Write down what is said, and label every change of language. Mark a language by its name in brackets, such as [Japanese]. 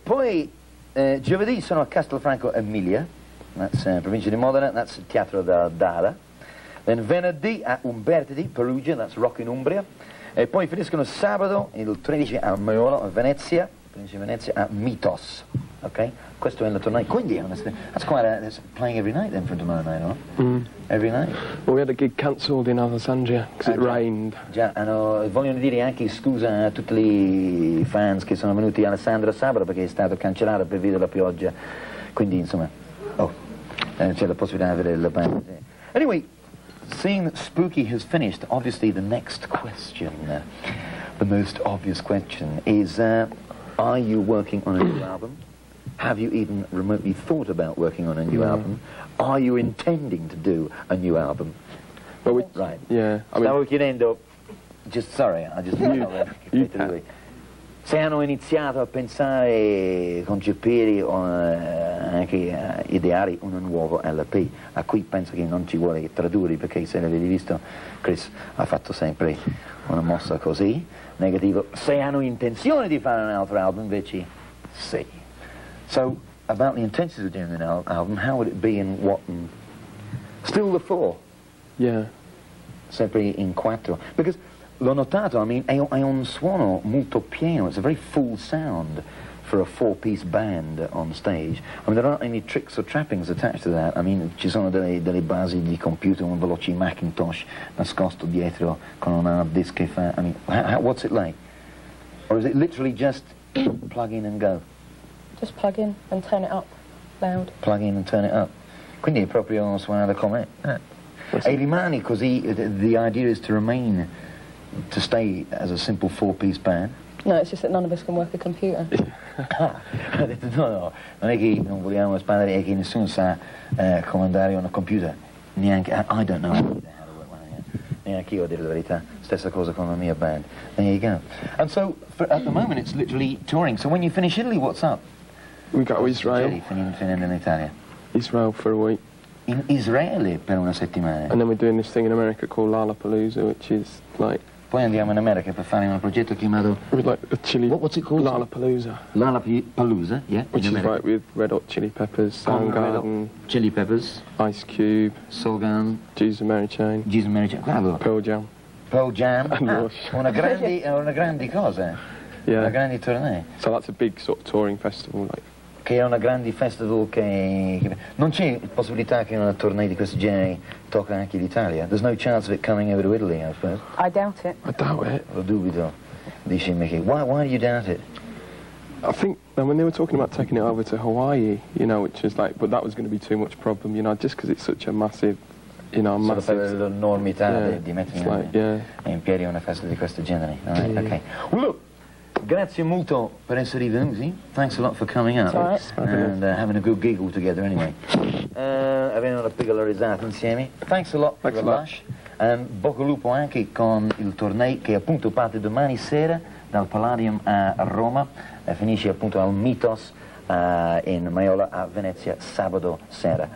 [Italian] Poi, giovedì sono a Castelfranco Emilia. [English] That's [Italian] provincia di Modena, [English] that's Teatro da Dada. Then [Italian] venerdì a Umbertidi, Perugia, [English] that's Rock in Umbria. [Italian] E poi finiscono sabato, il 13 a Maiolo, a Venezia, provincia di Venezia, a Mitos. Ok? Questo è la tournée. Quindi, [English] honestly, that's quite a... That's playing every night then for tomorrow night, no? Every night? Well, we had a gig cancelled in Alessandria, because it rained. [Italian] Già, and vogliono dire anche scusa a tutti I fans che sono venuti a Alessandria sabato, perché è stato cancellato per via della pioggia. Quindi, insomma... c'è la possibilità di avere la band. [English] Anyway, seeing that Spooky has finished, obviously the next question, the most obvious question, is are you working on a new album? Have you even remotely thought about working on a new album? Are you intending to do a new album? Well, right. Yeah. [Italian] Stavo chiedendo, [English] just sorry, I just knew that. [Italian] Se hanno iniziato a pensare, concepire o anche ideare un nuovo LP, a cui penso che non ci vuole tradurre, perché se l'avete visto, Chris ha fatto sempre una mossa così, negativo. Se hanno intenzione di fare un altro album, invece, sì. [English] So, about the intentions of doing an album, how would it be in what... Still the four? Yeah. [Italian] Sempre in quattro. [English] Because... [Italian] L'ho notato, [English] I mean, [Italian] è un suono molto pieno, [English] it's a very full sound for a four-piece band on stage. I mean, there aren't any tricks or trappings attached to that. I mean, [Italian] ci sono delle basi di computer, un veloce Macintosh nascosto dietro con un hard disk che fa... [English] I mean, what's it like? Or is it literally just plug in and go? Just plug in and turn it up loud. Plug in and turn it up. [Italian] Quindi è proprio un suono da com'è. E rimani così, [English] the idea is to remain... To stay as a simple four-piece band? No, it's just that none of us can work a computer. [Italian] No, non è che non vogliamo espandere, è che nessuno sa comandare un computer. Neanche, [English] I don't know how to work one. [Italian] Neanche io, a dire la verità. Stessa cosa con la mia band. [English] There you go. And so, at the moment, it's literally touring. So when you finish Italy, what's up? We go to Israel. [Italian] Finendo in Italia. [English] Israel for a week. [Italian] In Israel per una settimana. [English] And then we're doing this thing in America called Lollapalooza, which is like... [Italian] Poi andiamo in America per fare un progetto chiamato... [English] With like a chili... What's it called? Lollapalooza. Lollapalooza, yeah, which in America. Is like with Red Hot Chili Peppers, Soundgarden... Chili Peppers. Ice Cube. Soulgarden. Jesus and Mary Chain. Jesus and Mary Chain. Pearl Jam. Pearl Jam. And Lush. [Italian] Una grande cosa. [English] Yeah. [Italian] Una grande tournée. [English] So that's a big sort of touring festival, like... [Italian] Che è una grande festival che... Non c'è possibilità che una tournée di questo genere tocca anche l'Italia. [English] There's no chance of it coming over to Italy, I suppose. I doubt it. I doubt it. [Italian] Lo dubito, dice Miki. [English] Why do you doubt it? I think, when they were talking about taking it over to Hawaii, you know, which is like, but that was going to be too much problem, you know, just because it's such a massive, you know, massive... Sort of [Italian] per l'enormità di mettere in piedi una festa di questo genere. [English] Right, okay. Well, look! [Italian] Grazie molto per essere venuti. [English] Thanks a lot for coming out. It's all right. And having a good giggle together anyway. [Italian] Avendo una piccola risata insieme. [English] Thanks a lot Thanks for a the lot. Lush. [Italian] And bocca al lupo anche con il tournée che appunto parte domani sera dal Palladium a Roma e finisce appunto al Mitos in Maiola a Venezia sabato sera.